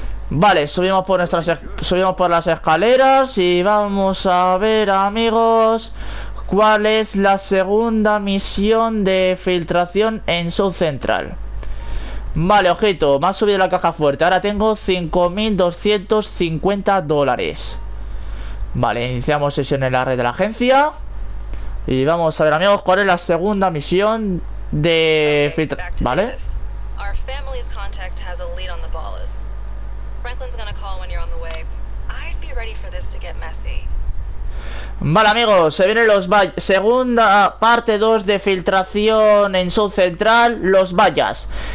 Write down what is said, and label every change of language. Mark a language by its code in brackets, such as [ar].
[es] Vale, subimos por las escaleras y vamos a ver, amigos, cuál es la segunda misión de filtración en South Central. Vale, ojito, me ha subido la caja fuerte. Ahora tengo $5.250. Vale, iniciamos sesión en la red de la agencia. Y vamos a ver, amigos, cuál es la segunda misión de [en] Okay, [es] filtrar. [en] back to [es] Vale. [en] Davis. Our family's contact has a lead on the Ballas. Franklin's gonna call when you're on the way. I'd be ready for this to get messy. [es] Vale, amigos, se vienen los vallas. Segunda parte 2 de filtración en South Central, los vallas.